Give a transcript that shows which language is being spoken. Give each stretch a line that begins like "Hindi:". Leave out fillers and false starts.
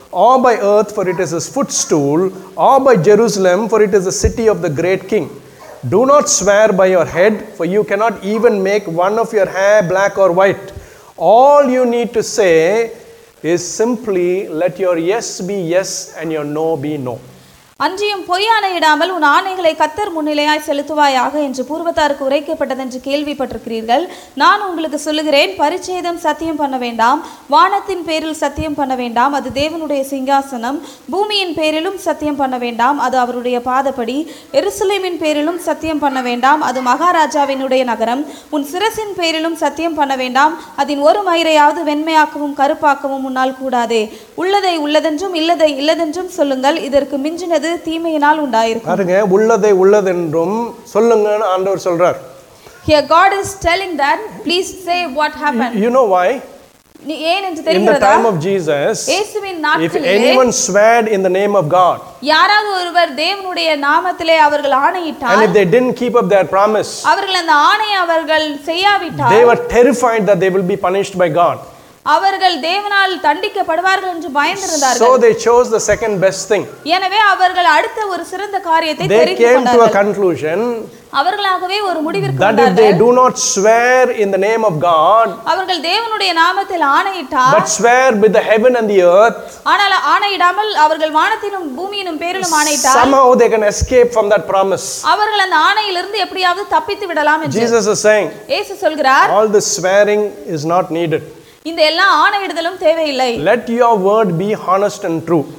English: Or by earth, for it is his footstool, or by Jerusalem, for it is the city of the great king. Do not swear by your head, for you cannot even make one of your hair black or white. All you need to say is simply, let your yes be yes and your no be no.
Tamil: அஞ்சியும் பொய்யானையிடாமல் உன் ஆணைகளை கர்த்தர் முன்னிலையாய் செலுத்துவாயாக என்று பூர்வத்தாருக்கு உரைக்கப்பட்டது என்று கேள்விப்பட்டிருக்கிறீர்கள். நான் உங்களுக்கு சொல்லுகிறேன், பரிச்சேதம் சத்தியம் பண்ண வேண்டாம், வானத்தின் பேரில் சத்தியம் பண்ண வேண்டாம், அது தேவனுடைய சிங்காசனம், பூமியின் பேரிலும் சத்தியம் பண்ண வேண்டாம், அது அவருடைய பாதப்படி, எருசலேமின் பேரிலும் சத்தியம் பண்ண வேண்டாம், அது மகாராஜாவினுடைய நகரம், உன் சிரசின் பேரிலும் சத்தியம் பண்ண வேண்டாம், அதன் ஒரு மயிரையாவது வெண்மையாக்கவும் கருப்பாக்கவும் உன்னால் கூடாதே, உள்ளதை உள்ளதென்றும் இல்லதை இல்லதென்றும் சொல்லுங்கள், இதற்கு மிஞ்சின தீமையினால் உண்டாயிருக்கும். பாருங்க, உள்ளதை உள்ளதென்றும் சொல்லுங்கன்னு ஆண்டவர் சொல்றார்.
English: Here God is telling that, please say what happened. You know why? In the time of Jesus, if anyone swore in the name of God,
Tamil: யாராவது ஒருவர் தேவனுடைய நாமத்திலே அவர்கள் ஆணையிட்டால்,
English: and if they didn't keep up their promise,
Tamil: அவர்கள் அந்த ஆணையை அவர்கள் செய்யாவிட்டால்,
English: they were terrified that they will be punished by God.
Tamil: அவர்கள் தேவனால் தண்டிக்கப்படுவார்கள் என்று பயந்திருந்தார்கள்.
English: So they chose the second best thing.
Tamil: எனவே அவர்கள் அடுத்த ஒரு சிறந்த காரியத்தை தெரிந்து கொண்டார்கள்.
English: They came to a conclusion.
Tamil: அவர்களாகவே ஒரு முடிவிற்கு வந்தார்கள்.
English: That if they do not swear in the name of God.
Tamil: அவர்கள் தேவனுடைய நாமத்தில் ஆணையிட்டால்.
English: But swear with the heaven and the earth.
Tamil: ஆனால் ஆணையிடாமல் அவர்கள் வானத்திலும் பூமியிலும் பேரிலும் ஆணையிட்டால்.
English: Somehow they can escape from that promise.
Tamil: அவர்கள் அந்த ஆணையிலிருந்து எப்படியாவது தப்பித்து விடலாம் என்று.
English: Jesus is saying.
Tamil: இயேசு சொல்கிறார்.
English: All the swearing is not needed.
Tamil: இந்த எல்லா ஆணையிடுதலும் தேவையில்லை.
English: Let your word be honest and true.